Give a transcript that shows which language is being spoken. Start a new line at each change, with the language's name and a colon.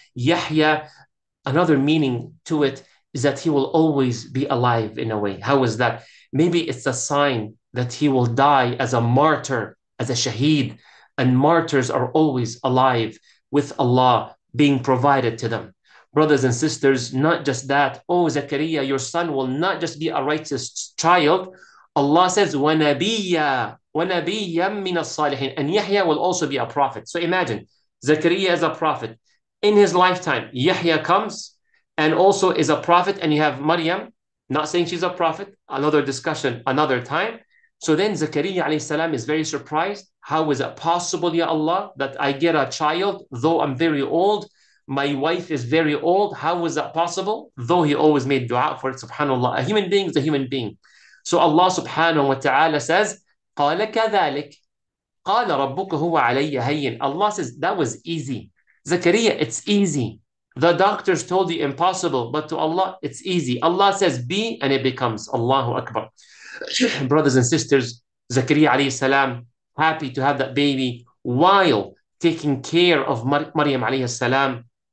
English: Yahya, another meaning to it is that he will always be alive in a way. How is that? Maybe it's a sign that he will die as a martyr, as a shaheed, and martyrs are always alive with Allah being provided to them. Brothers and sisters, not just that. Oh, Zakaria, your son will not just be a righteous child. Allah says,
Arabic: وَنَبِيًّا مِّنَ الصَّالِحِينَ.
English: And Yahya will also be a prophet. So imagine, Zakaria is a prophet. In his lifetime, Yahya comes and also is a prophet. And you have Maryam, not saying she's a prophet. Another discussion, another time. So then Zakaria alayhi salam is very surprised. How is it possible, Ya Allah, that I get a child, though I'm very old? My wife is very old. How is that possible? Though he always made dua for it, subhanAllah. A human being is a human being. So Allah subhanahu wa ta'ala says,
Arabic: قَالَ كَذَلِكَ قَالَ رَبُّكَ هُوَ عَلَيَّ هَيِّنَ.
English: Allah says, that was easy. Zakaria, it's easy. The doctors told you impossible, but to Allah, it's easy. Allah says, be, and it becomes. Allahu Akbar. Brothers and sisters, Zakaria alayhi salam, happy to have that baby while taking care of Maryam alayhi salam.